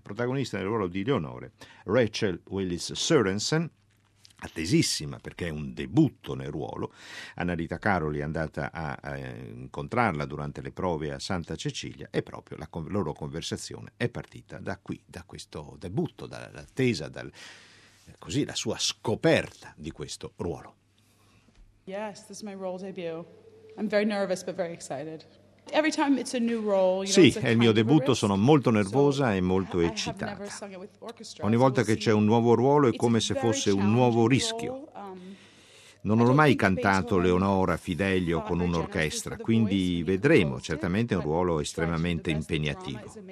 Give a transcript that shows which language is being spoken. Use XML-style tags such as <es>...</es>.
<it>Protagonista nel ruolo di Leonore, Rachel Willis Sørensen, attesissima perché è un debutto nel ruolo. Anna Rita Caroli è andata a incontrarla durante le prove a Santa Cecilia, e proprio la loro conversazione è partita da qui, da questo debutto, dall'attesa, così la sua scoperta di questo ruolo.</it> <en>Yes, this is my role debut. I'm very nervous but very excited. Every time it's a new role,</en> <it>sì, è il mio debutto, sono molto nervosa e molto eccitata. Ogni volta che c'è un nuovo ruolo è come se fosse un nuovo rischio. Non ho mai cantato Leonora, Fidelio con un'orchestra, quindi vedremo, certamente è un ruolo estremamente impegnativo.</it>